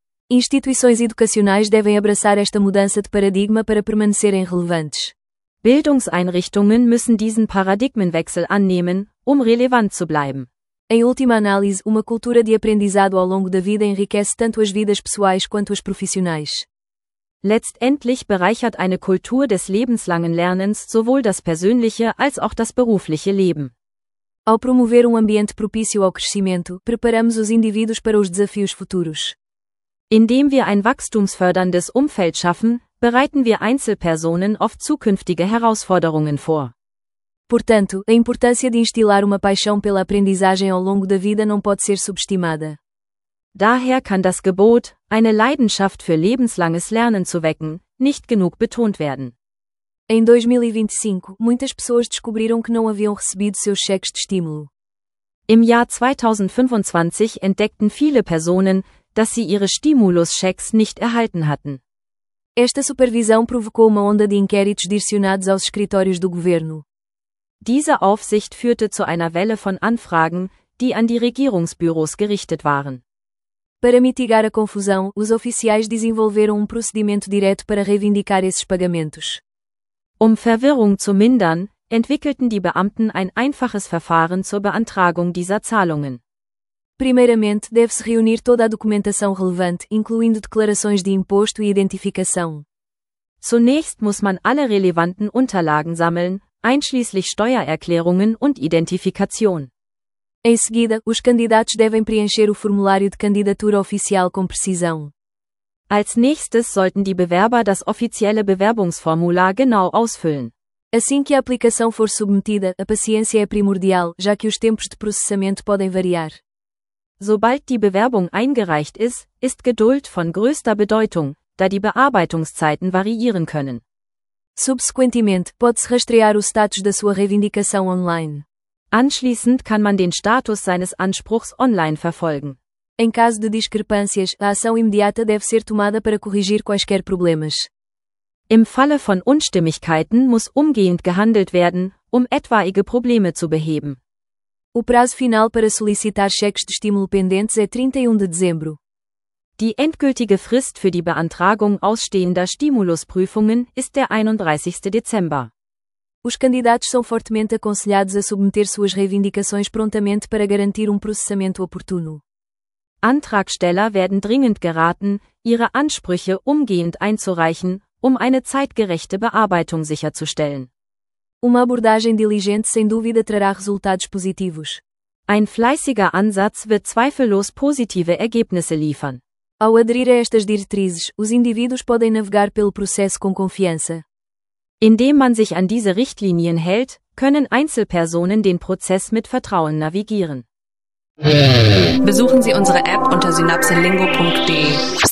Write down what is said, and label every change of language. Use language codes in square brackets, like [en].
[pt] Instituições educacionais devem abraçar esta mudança de paradigma para permanecerem relevantes. [de] Bildungseinrichtungen müssen diesen Paradigmenwechsel annehmen, relevant zu bleiben. [pt] Em última análise, uma cultura de aprendizado ao longo da vida enriquece tanto as vidas pessoais quanto as profissionais. [de] Letztendlich bereichert eine Kultur des lebenslangen Lernens sowohl das persönliche als auch das berufliche Leben. [pt] Ao promover ambiente propício ao crescimento, preparamos os indivíduos para os desafios futuros. [de] Indem wir ein wachstumsförderndes Umfeld schaffen, bereiten wir Einzelpersonen auf zukünftige Herausforderungen vor. [pt] Portanto, a importância de instilar uma paixão pela aprendizagem ao longo da vida não pode ser subestimada. [de] Daher kann das Gebot, eine Leidenschaft für lebenslanges Lernen zu wecken, nicht genug betont werden. [pt] Em 2025, muitas pessoas descobriram que não haviam recebido seus cheques de estímulo. [de] Im Jahr 2025 entdeckten viele Personen, dass sie ihre Stimulus-Checks nicht erhalten hatten. [pt] Esta supervisão provocou uma onda de inquéritos direcionados aos escritórios do governo. [de] Diese Aufsicht führte zu einer Welle von Anfragen, die an die Regierungsbüros gerichtet waren. [pt] Para mitigar a confusão, os oficiais desenvolveram procedimento direto para reivindicar esses pagamentos. [de] Verwirrung zu mindern, entwickelten die Beamten ein einfaches Verfahren zur Beantragung dieser Zahlungen. [pt] Primeiramente, deve-se reunir toda a documentação relevante, incluindo declarações de imposto e identificação. [de] Zunächst muss man alle relevanten Unterlagen sammeln, einschließlich Steuererklärungen und Identifikation. [pt] Em seguida, os candidatos devem preencher o formulário de candidatura oficial com precisão. [de] Als nächstes sollten die Bewerber das offizielle Bewerbungsformular genau ausfüllen. [pt] Assim que a aplicação for submetida, a paciência é primordial, já que os tempos de processamento podem variar. [de] Sobald die Bewerbung eingereicht ist, ist Geduld von größter Bedeutung, da die Bearbeitungszeiten variieren können. [pt] Subsequentemente, pode-se rastrear o status da sua reivindicação online. [de] Anschließend kann man den Status seines Anspruchs online verfolgen. [pt] Em caso de discrepâncias, a ação imediata deve ser tomada para corrigir quaisquer problemas. [de] Im Falle von Unstimmigkeiten muss umgehend gehandelt werden, etwaige Probleme zu beheben. [pt] O prazo final para solicitar cheques de estímulo pendentes é 31 de dezembro. [de] Die endgültige Frist für die Beantragung ausstehender Stimulusprüfungen ist der 31. Dezember. [pt] Os candidatos são fortemente aconselhados a submeter suas reivindicações prontamente para garantir processamento oportuno. [de] Antragsteller werden dringend geraten, ihre Ansprüche umgehend einzureichen, eine zeitgerechte Bearbeitung sicherzustellen. [pt] Uma abordagem diligente sem dúvida trará resultados positivos. [de] Ein fleißiger Ansatz wird zweifellos positive Ergebnisse liefern. [pt] Ao aderir a estas diretrizes, os indivíduos podem navegar pelo processo com confiança. [de] Indem man sich an diese Richtlinien hält, können Einzelpersonen den Prozess mit Vertrauen navigieren. Besuchen Sie unsere App unter synapselingo.de.